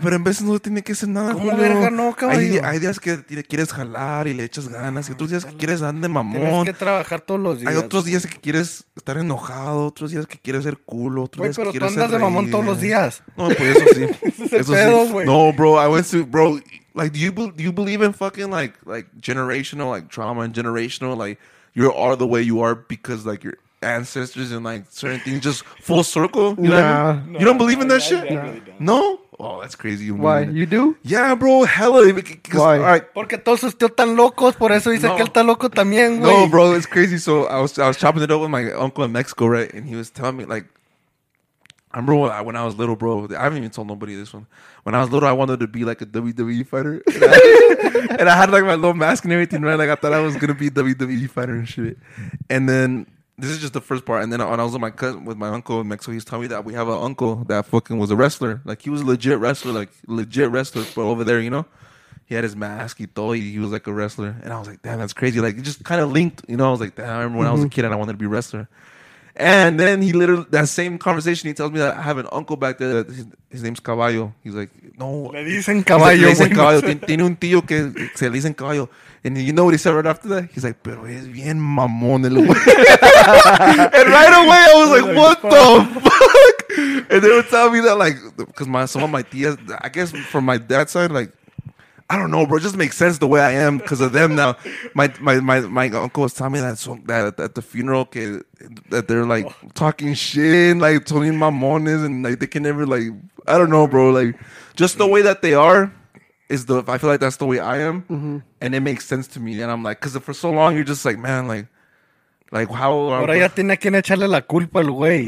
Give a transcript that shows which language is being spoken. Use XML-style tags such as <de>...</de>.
<es>Pero en veces no tiene que hacer nada, güey. Como verga, no, cabrón. Hay días que quieres jalar y le echas ganas. Y otros días que quieres andar de mamón. Tienes que trabajar todos los días. Hay otros días que quieres estar enojado. Otros días que quieres ser culo. Otros días que quieres ser. Pero tú andas de mamón todos los días. No, pues eso sí. Eso sí. No, bro.</es> <en>I went to, bro. Like, do you believe in fucking like generational, like trauma and generational, like, you are the way you are because, like, your ancestors and, like, certain things just full circle? You know, nah. You don't believe in that shit? Nah. No? Oh, that's crazy. You why? Mean. You do? Yeah, bro. Hella. Why? All right.</en> <es>Porque todos sus tíos están locos. Por eso dice que él está loco también, güey.</es> <en>No, bro. It's crazy. So, I was chopping it up with my uncle in Mexico, right? And he was telling me, like, I remember when I was little, bro. I haven't even told nobody this one. When I was little, I wanted to be like a WWE fighter. And I had like my little mask and everything, right? Like, I thought I was going to be a WWE fighter and shit. And then, this is just the first part. And then when I was with my cousin, with my uncle in Mexico, he's telling me that we have an uncle that fucking was a wrestler. Like, he was a legit wrestler. Like, legit wrestler. But over there, you know, he had his mask. He was like a wrestler. And I was like, damn, that's crazy. Like, it just kind of linked. You know, I was like, damn, I remember when I was a kid and I wanted to be a wrestler. And then he literally, that same conversation, he tells me that I have an uncle back there. That his name's Caballo. He's like, no.</en> <es>Le dicen Caballo. Le dicen Caballo. Tiene un tío que se le dicen Caballo.</es> <en>And you know what he said right after that? He's like,</en> <es>pero es bien mamón el güey.</es> <en>And right away, I was like, what the fuck? And they were telling me that, like, because some of my tías, I guess from my dad's side, like, I don't know, bro. It just makes sense the way I am because of them now. My uncle was telling me that so, that at the funeral, okay, that they're like talking shit, like Tony Mamones, and like they can never, like, I don't know, bro. Like, just the way that they are is the, I feel like that's the way I am. Mm-hmm. And it makes sense to me. And I'm like, because for so long, you're just like, man, like how</en> <es>ahora ya tiene quien echarle la culpa al güey.</es>